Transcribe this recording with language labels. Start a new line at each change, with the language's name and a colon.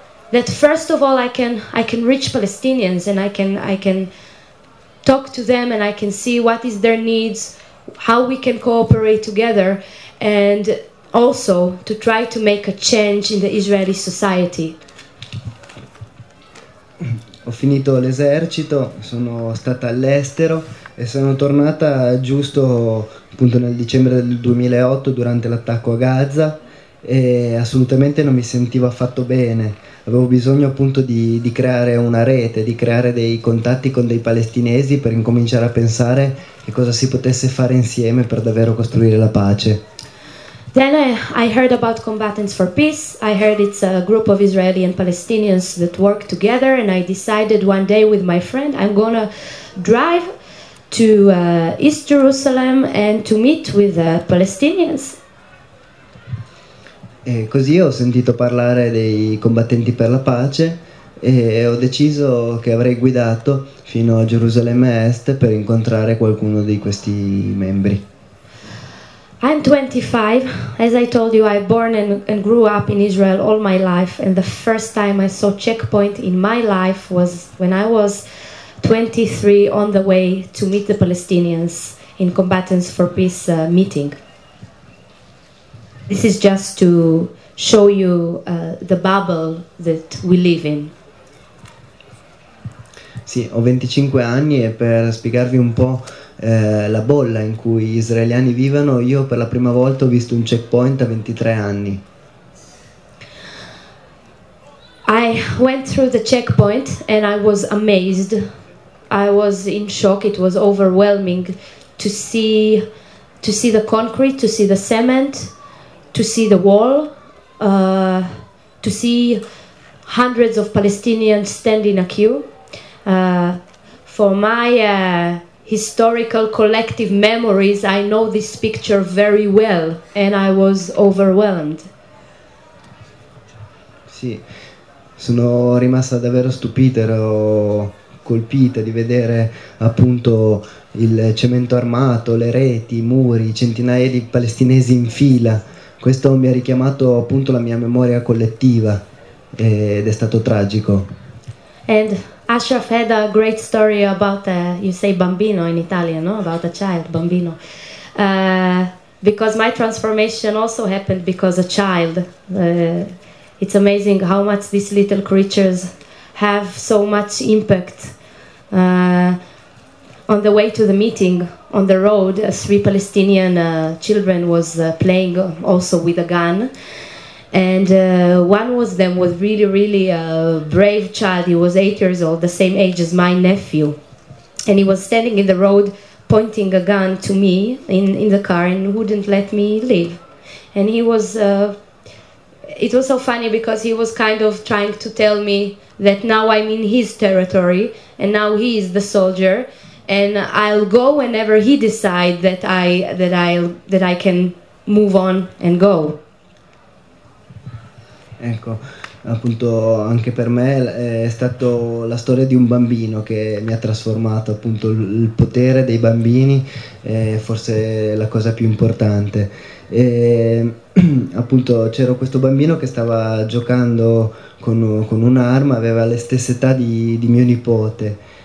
English: That first of all I can reach Palestinians, and I can talk to them, and I can see what is their needs, how we can cooperate together, and also to try to make a change in the Israeli society.
Italian: Ho finito l'esercito, sono stata all'estero e sono tornata giusto appunto nel dicembre del 2008 durante l'attacco a Gaza, e assolutamente non mi sentivo affatto bene. Avevo bisogno appunto di creare una rete, di creare dei contatti con dei palestinesi per incominciare a pensare che cosa si potesse fare insieme per davvero costruire la pace.
English: Then I heard about Combatants for Peace. I heard it's a group of Israeli and Palestinians that work together, and I decided one day with my friend I'm gonna drive to East Jerusalem and to meet with the Palestinians.
Italian: E così ho sentito parlare dei combattenti per la pace e ho deciso che avrei guidato fino a Gerusalemme Est per incontrare qualcuno di questi membri.
English: I'm 25. As I told you, I born and grew up in Israel all my life, and the first time I saw checkpoint in my life was when I was 23 on the way to meet the Palestinians in Combatants for Peace meeting. This is just to show you the bubble that we live in.
Italian: Sì, ho 25 anni e per spiegarvi un po' la bolla in cui gli israeliani vivono, io per la prima volta ho visto un checkpoint a 23 anni.
English: I went through the checkpoint and I was amazed. I was in shock, it was overwhelming to see the concrete, to see the cement, to see the wall, to see hundreds of Palestinians stand in a queue. For my historical collective memories, I know this picture very well, and I was overwhelmed.
Italian: Sì, sono rimasta davvero stupita, ero colpita di vedere appunto il cemento armato, le reti, i muri, centinaia di palestinesi in fila. Questo mi ha richiamato appunto la mia memoria collettiva ed è stato tragico.
English: And Ashraf had a great story about you say bambino in Italian, no? About a child, bambino. Because my transformation also happened because a child. It's amazing how much these little creatures have so much impact. On the way to the meeting, on the road, three Palestinian children was playing also with a gun. And one of them was really, really a brave child. He was 8 years old, the same age as my nephew. And he was standing in the road, pointing a gun to me in the car and wouldn't let me leave. And he was, it was so funny because he was kind of trying to tell me that now I'm in his territory and now he is the soldier. And I'll go whenever he decides that I can move on and go.
Italian: Ecco, appunto anche per me è stata la storia di un bambino che mi ha trasformato, appunto il potere dei bambini è forse la cosa più importante. E, appunto c'era questo bambino che stava giocando con un'arma, aveva le stesse età di mio nipote.